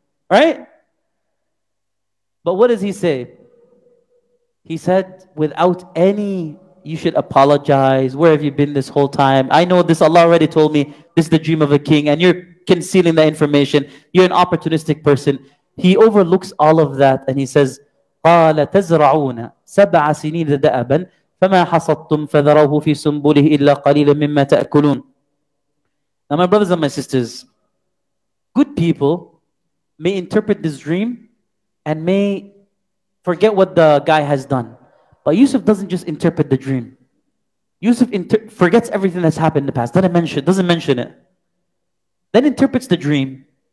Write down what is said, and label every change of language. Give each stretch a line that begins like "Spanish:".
English: Right? But what does he say? He said, without any... You should apologize. Where have you been this whole time? I know this. Allah already told me this is the dream of a king and you're concealing that information. You're an opportunistic person. He overlooks all of that and he says,
Arabic: قَالَ تَزْرَعُونَ سَبْعَ سِنِينَ دَأَبًا فَمَا حَصَدْتُمْ فَذَرَوْهُ فِي سُنْبُلِهِ إِلَّا قَلِيلًا مِمَّا تَأْكُلُونَ.
English: Now my brothers and my sisters, good people may interpret this dream and may forget what the guy has done. But Yusuf doesn't just interpret the dream. Yusuf forgets everything that's happened in the past. Doesn't mention it. Then interprets the dream.